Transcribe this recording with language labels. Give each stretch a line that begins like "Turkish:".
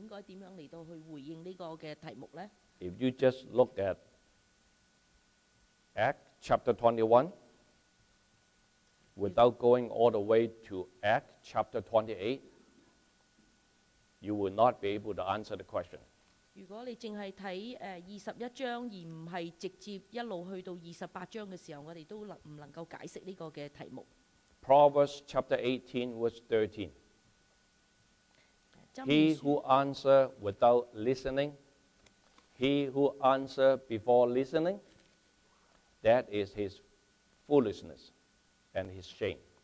Chinese: 今天的主題是保羅應不應該上耶路撒冷，我們應該怎樣來到去回應這個題目呢?
English: If you just look at Acts chapter 21, without going all the way to Acts chapter 28, you will not be able to answer the question.
Chinese: 如果你只是看21章，而不是直接一路去到28章的時候，我們都不能夠解釋這個題目。
English: Proverbs chapter 18, verse 13. He who answer without listening, he who answer before listening, that is his foolishness and his shame.